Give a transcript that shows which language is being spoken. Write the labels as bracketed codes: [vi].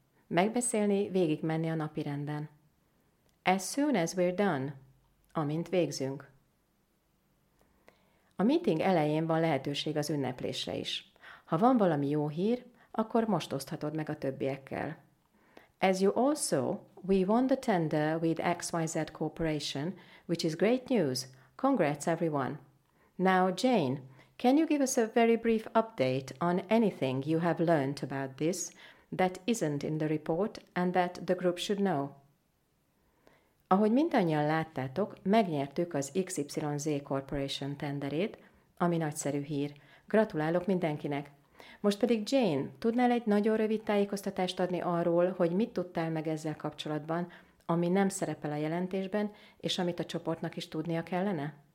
[hu] Megbeszélni, végigmenni a napirenden. [en] As soon as we're done. [hu] Amint végzünk. A meeting elején van lehetőség az ünneplésre is. Ha van valami jó hír, akkor most oszthatod meg a többiekkel. [en] As you also, we won the tender with XYZ Corporation, which is great news. Congrats, everyone. Now, Jane, can you give us a very brief update on anything you have learned about this that isn't in the report and that the group should know? [hu] Ahogy mindannyian láttátok, megnyertük az XYZ Corporation tenderét, ami nagyszerű hír. Gratulálok mindenkinek! Most pedig Jane, tudnál egy nagyon rövid tájékoztatást adni arról, hogy mit tudtál meg ezzel kapcsolatban, ami nem szerepel a jelentésben, és amit a csoportnak is tudnia kellene?